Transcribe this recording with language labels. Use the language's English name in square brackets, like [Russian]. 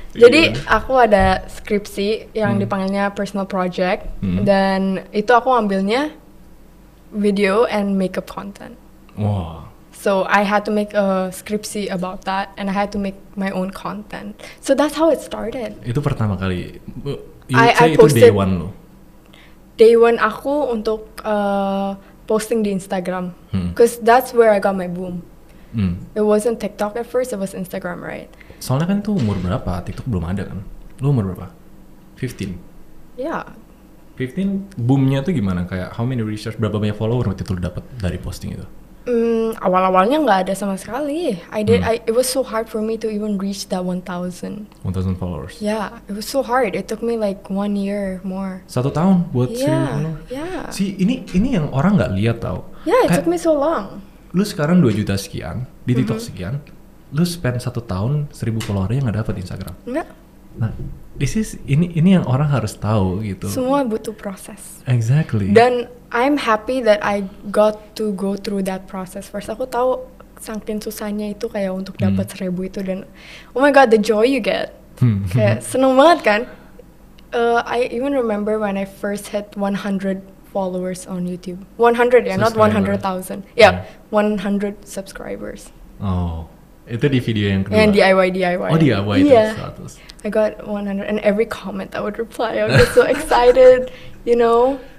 [Indonesian] Jadi aku ada skripsi yang dipanggilnya personal project dan itu aku ambilnya [English] video and makeup content. Wow. So I had to make a skripsi about that and I had to make my own content. So that's how it started. [Indonesian] Itu pertama kali. I itu [English] day one [Indonesian] lo. [English] Day one [Indonesian] aku untuk posting di Instagram. [English] Cause that's where I got my boom. It wasn't TikTok at first, it was Instagram, right? [Indonesian] Soalnya kan itu umur berapa? TikTok belum ada kan? Lu umur berapa? 15? Yeah. 15, boomnya tuh gimana? Kayak [English] how many research, [Indonesian] berapa banyak follower waktu itu lu dapet dari posting itu? Awal-awalnya gak ada sama sekali. [English] It was so hard for me to even reach that 1,000. 1,000 followers? Yeah, it was so hard. It took me like one year more. [Indonesian] Satu tahun buat yeah, 1,000 [English] followers? Yeah. [Indonesian] Si, ini yang orang gak lihat tau. [English] Yeah, it took me so long. [Indonesian] Lu sekarang 2 juta sekian, di TikTok sekian, lu spend 1 tahun 1000 follower yang gak dapet Instagram. Enggak. Nah, ini yang orang harus tahu gitu. Semua butuh proses. [English] Exactly. Dan I'm happy that I got to go through that process first. [Indonesian] Aku tahu saking susahnya itu kayak untuk dapet 1000 itu dan [English] oh my god, the joy you get. [Indonesian] Kayak seneng banget kan? [English] I even remember when I first hit 100 followers on YouTube. 100 ya, yeah, not 100,000. Ya, yeah, yeah. 100 subscribers. [Indonesian] Oh, itu di video yang kedua. Yang DIY. Oh, DIY itu yeah, 100. [English] I got 100 and every comment I would reply, I was so excited, you know.